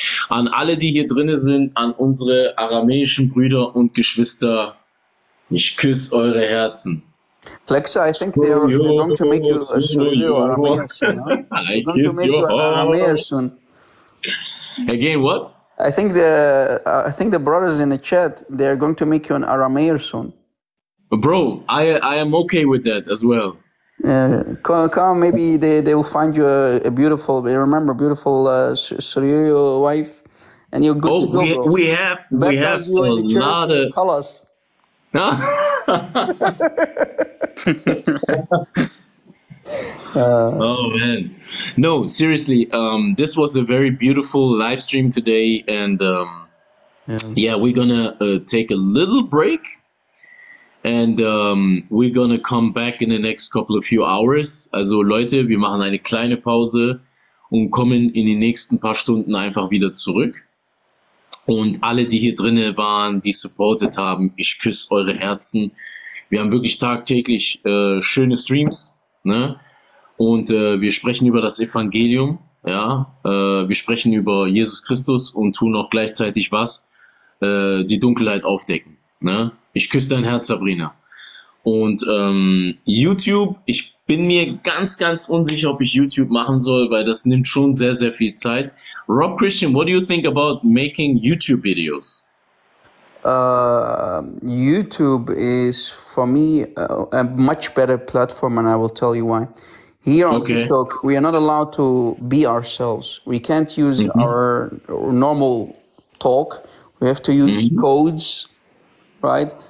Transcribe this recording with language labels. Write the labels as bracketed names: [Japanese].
[German] An alle, die hier drinnen sind, an unsere aramäischen Brüder und Geschwister, ich küsse eure Herzen. [English] Flexa, I think they're going to make you a Aramäer soon. I kiss your heart. Aramäer soon. Again, what? I think the brothers in the chat, they are going to make you an Aramaic soon. Bro, I am okay with that as well. Come, maybe they will find you a beautiful. Remember, beautiful Suryo wife, and you're good to go. We have a lot of colors. No, seriously, this was a very beautiful live stream today, and we're gonna take a little break, and we're gonna come back in the next couple of few hours. [German] Also Leute, wir machen eine kleine Pause und kommen in den nächsten paar Stunden einfach wieder zurück. Und alle, die hier drinnen waren, die supported haben, ich küsse eure Herzen. Wir haben wirklich tagtäglich schöne Streams, ne? Und wir sprechen über das Evangelium, ja, wir sprechen über Jesus Christus und tun auch gleichzeitig was, die Dunkelheit aufdecken, ne? Ich küsse dein Herz, Sabrina. Und YouTube, ich bin mir ganz, ganz unsicher, ob ich YouTube machen soll, weil das nimmt schon sehr, sehr viel Zeit. [English] Rob Christian, what do you think about making YouTube videos? YouTube is for me a much better platform, and I will tell you why. Here on TikTok, we are not allowed to be ourselves. We can't use our normal talk. We have to use codes, right?